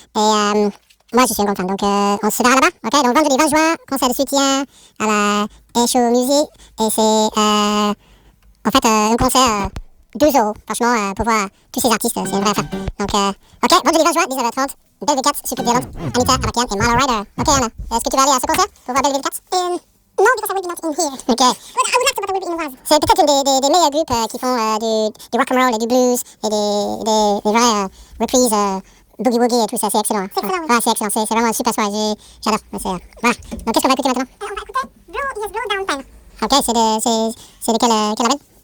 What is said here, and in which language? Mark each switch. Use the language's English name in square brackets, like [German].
[French] Et moi je suis un grand fan, donc on se verra là-bas, ok. Donc vendredi 20 juin, concert de soutien à la FGO Music, et c'est en fait un concert... 12 euros, franchement, pour voir tous ces artistes, c'est une vraie affaire. Donc, ok, vendredi 20 juin, 19h30, Belleville Cats, Soucoupe Violente, Anita Avakian et Marlo Ryder. Ok, Anna, est-ce que tu vas aller à ce concert pour voir Belleville Cats? [English] No, because I will be not in here. Ok. But I would like to, but I will be in Oise. [French] C'est peut-être une des meilleurs groupes qui font du rock and roll et du blues et des vraies reprises, boogie woogie et tout, c'est excellent. C'est excellent, ouais. Ouais, c'est excellent, c'est vraiment une super soirée, j'adore. Voilà. Donc, qu'est-ce qu'on va écouter maintenant? On va écouter Blow, Yes, Blow Down Pen. Ok, c'est de quel label?